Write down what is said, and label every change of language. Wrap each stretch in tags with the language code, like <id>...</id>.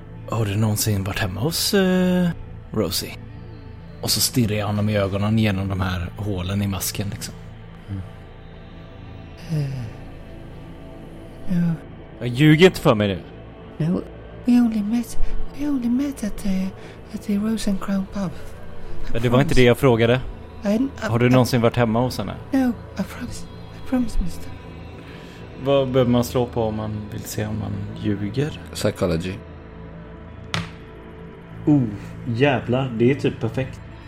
<sv>Har du någonsin varit hemma hos Rosie? Och så stirrar jag honom i ögonen genom de här hålen i masken liksom.</sv> <en>No.</en> <sv>Jag ljuger inte för mig nu.</sv> <en>No, we only met at the Rose and Crown pub.</en> <sv>Men det var inte det jag frågade. Har du någonsin varit hemma hos henne?</sv> <en>No, I promise, mister.</en> <sv>Vad behöver man slå på om man vill se om man ljuger?</sv> <en>Psychology.</en> <sv>Oh, jävlar, det är typ perfekt.</sv>